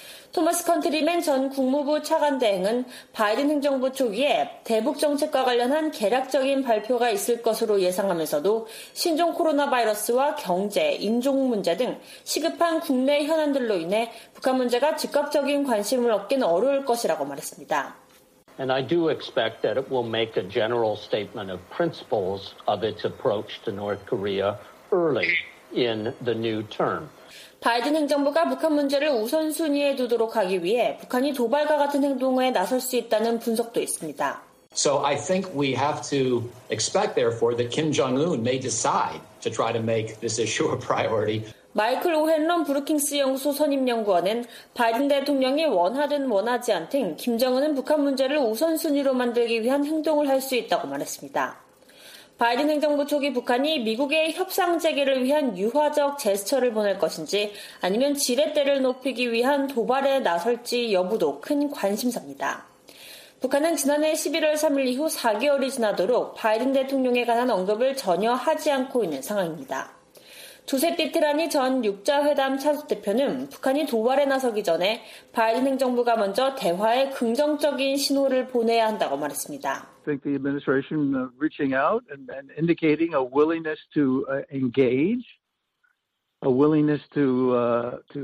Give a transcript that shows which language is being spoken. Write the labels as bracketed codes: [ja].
[ko] 토마스 컨트리맨 전 국무부 차관대행은 바이든 행정부 초기에 대북 정책과 관련한 계략적인 발표가 있을 것으로 예상하면서도 신종 코로나 바이러스와 경제, 인종 문제 등 시급한 국내 현안들로 인해 북한 문제가 즉각적인 관심을 얻긴 어려울 것이라고 말했습니다. [en] And I do expect that it will make a general statement of principles of its approach to North Korea early in the new term. [ko] 바이든 행정부가 북한 문제를 우선순위에 두도록 하기 위해 북한이 도발과 같은 행동에 나설 수 있다는 분석도 있습니다. [en] So I think we have to expect, therefore, that Kim Jong-un may decide to try to make this issue a priority. [ko] 마이클 오헨런 브루킹스 연구소 선임연구원은 바이든 대통령이 원하든 원하지 않든 김정은은 북한 문제를 우선순위로 만들기 위한 행동을 할 수 있다고 말했습니다. 바이든 행정부 초기 북한이 미국의 협상 재개를 위한 유화적 제스처를 보낼 것인지 아니면 지렛대를 높이기 위한 도발에 나설지 여부도 큰 관심사입니다. 북한은 지난해 11월 3일 이후 4개월이 지나도록 바이든 대통령에 관한 언급을 전혀 하지 않고 있는 상황입니다. 조셉 비트라니 전 6자회담 차석 대표는 북한이 도발에 나서기 전에 바이든 행정부가 먼저 대화에 긍정적인 신호를 보내야 한다고 말했습니다. [en] I think the administration reaching out and indicating a willingness to engage, a willingness to